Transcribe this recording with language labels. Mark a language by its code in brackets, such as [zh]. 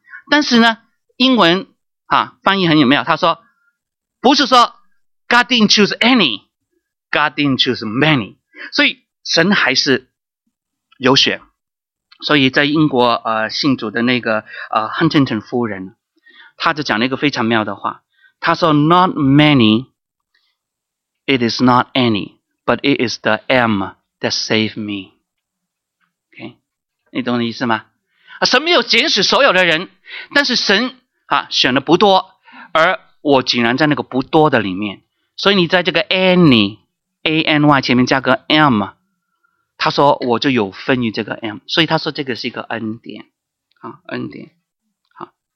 [zh] 但是呢，英文啊翻译很有没有？他说不是说 [en] God didn't choose any， God didn't choose many， [zh] 所以神还是有选。所以在英国信主的那个Huntington 夫人，他就讲了一个非常妙的话，他说 [en] Not manyIt is not any, but it is the M that saved me. [zh] Okay， 你懂的意思吗？神没有拣选所有的人，但是神啊选的不多，而我竟然在那个不多的里面。所以你在这个 any a n y 前面加个 M， 他说我就有分于这个 M， 所以他说这个是一个恩典啊，恩典啊。